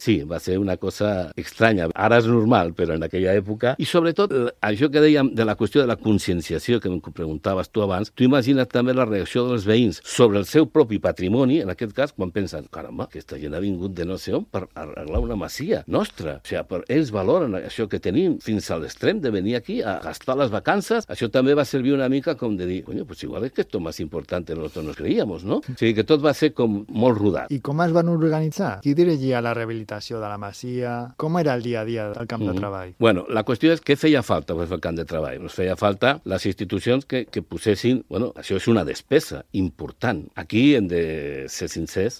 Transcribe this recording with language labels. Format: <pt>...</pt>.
<ca>Sí, va ser una cosa estranya. Ara és normal, però en aquella època... I sobretot, això que dèiem de la qüestió de la conscienciació, que em preguntaves tu abans, abans, tu imagina't també la reacció dels veïns sobre el seu propi patrimoni, en aquest cas, quan pensen, caramba, aquesta gent ha vingut de no sé on per arreglar una masia nostra. O sigui, ells valoren això que tenim fins a l'extrem de venir aquí a gastar les vacances. Això també va servir una mica com de dir,</ca> <es>coño, pues igual es que esto más importante nosotros nos creíamos, ¿no?</es> <ca>O sigui, que tot va ser com molt rodat. I com es van organitzar? Qui dirigia la rehabilitació de la masia? Com era el dia a dia del camp de treball? Bueno, la qüestió és què feia falta per fer el camp de treball. Ens feia falta les institucions que posessin... Bueno, això és una despesa important. Aquí hem de ser sincers.</ca>